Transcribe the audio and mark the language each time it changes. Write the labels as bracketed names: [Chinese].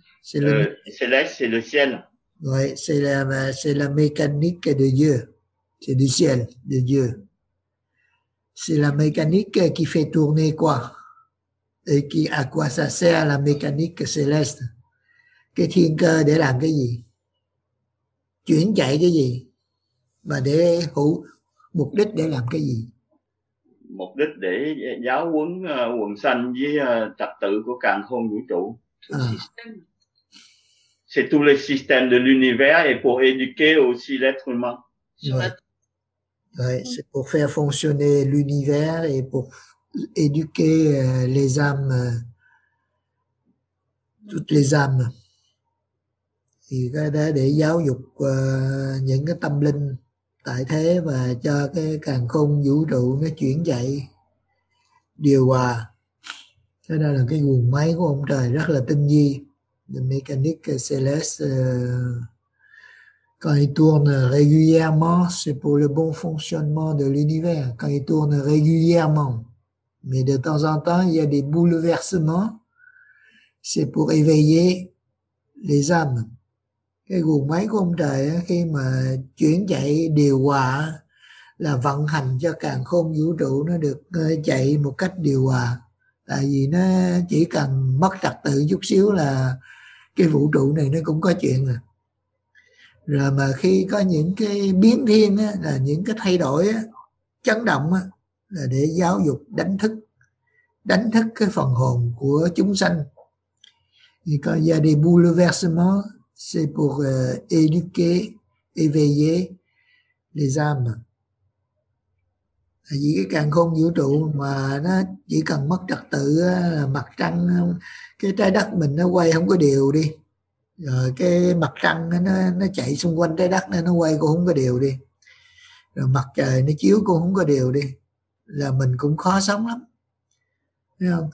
[French] C'est le céleste, c'est le ciel. Oui, c'est la mécanique de Dieu. C'est du ciel, de Dieu. C'est la mécanique qui fait tourner quoi? Et qui, à quoi ça sert la mécanique céleste? [Vietnamese] Cái thiên cơ để làm cái gì? Chuyển chạy cái gì? Mà để hữu mục đích để làm cái gì? Mục đích để giáo huấn quần sanh với trật tự của càn khôn vũ trụ. C'est tous les systèmes de l'univers et pour éduquer aussi l'être humain. Oui, c'est pour faire fonctionner l'univers et pour éduquer les âmes, toutes les âmes. Thì cái đó để giáo dục những cái tâm linh tại thế và cho cái càn khôn vũ trụ nó chuyển dậy điều hòa. Thế đó là cái nguồn máy của ông trời rất là tinh vi. [French] The mécanique céleste, quand il tourne régulièrement, c'est pour le bon fonctionnement de l'univers. Quand il tourne régulièrement, mais de temps en temps, il y a des bouleversements, c'est pour éveiller les âmes. [Vietnamese] Cái nguồn máy của ông trời khi mà chuyển chạy điều hòa là vận hành cho càn khôn vũ trụ nó được chạy một cách điều hòa. Tại vì nó chỉ cần mất trật tự chút xíu là cái vũ trụ này nó cũng có chuyện rồi. Rồi mà khi có những cái biến thiên á, là những cái thay đổi á, chấn động á, là để giáo dục đánh thức cái phần hồn của chúng sanh. Thì có [French] y a des bouleversements, c'est pour éduquer, éveiller les âmes. [Vietnamese] Tại vì cái càn khôn vũ trụ mà nó chỉ cần mất trật tự là mặt trăng, cái trái đất mình nó quay không có đều đi. Rồi cái mặt trăng nó chạy xung quanh trái đất nó quay cũng không có đều đi. Rồi mặt trời nó chiếu cũng không có đều đi. Là mình cũng khó sống lắm. Thấy không?